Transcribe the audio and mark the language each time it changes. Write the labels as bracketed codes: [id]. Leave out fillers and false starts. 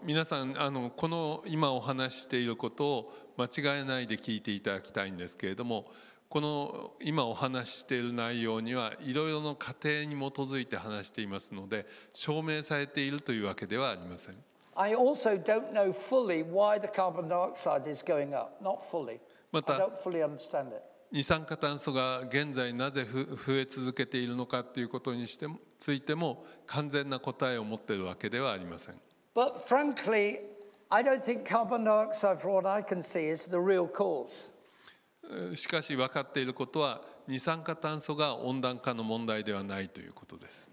[ja] 皆さん、この今お話していることを間違えないで聞いていただきたいんですけれども、この今お話している内容にはいろいろの仮定に基づいて話していますので、証明されているというわけではありません。 [en] I also don't know fully why the carbon dioxide is going up. Not fully. [ja] また、 [en] I don't fully understand it. [ja] 二酸化炭素が現在なぜ増え続けているのかということについても完全な答えを持っているわけではありません。 [en] But frankly, I don't think carbon dioxide, from what I can see, is the real cause. [ja] しかし分かっていることは二酸化炭素が温暖化の問題ではないということです。